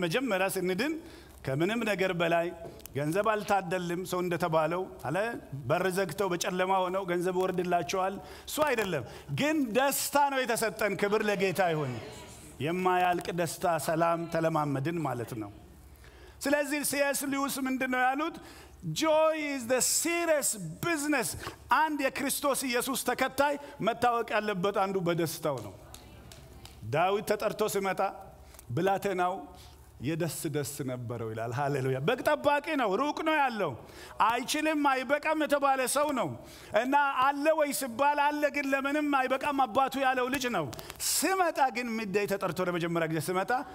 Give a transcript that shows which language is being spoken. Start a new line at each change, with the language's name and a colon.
Amharic: መጀመሪያ ስንድን ከምንም ነገር በላይ ገንዘብ አልታደልም ሰው እንደተባለው አለ በርዘግተው በጨለማ ሆነው ገንዘብ ወርድላቸዋል ሱ አይደለም። ግን ደስታ ነው የተሰጠን። ክብር ለጌታ ይሁን። የማያልቅ ደስታ ሰላም ተለማመድን ማለት ነው። ስለዚህ ሲኤስ ሊዩስ ምንድነው ያሉት?
English: Joy is the serious business.
Amharic: አንድ የክርስቶስ ኢየሱስ ተከታይ መታወቅ ያለበት አንዱ በደስታው ነው። ዳዊት ተጠርቶ ሲመጣ ብላቴናው የደስ ደስ ነበረው ይላል። ሃሌሉያ። በቅጣባቂ ነው ሩቅ ነው ያለው አይችልም አይበቃም የተባለ ሰው ነው። እና አለ ወይ ሲባል አለ ግን ለምንም አይበቃም አባቱ ያለው ልጅ ነው። ሲመጣ ግን ምደይ ተጠርቶ ለመጀመሪያ ጊዜ ሲመጣ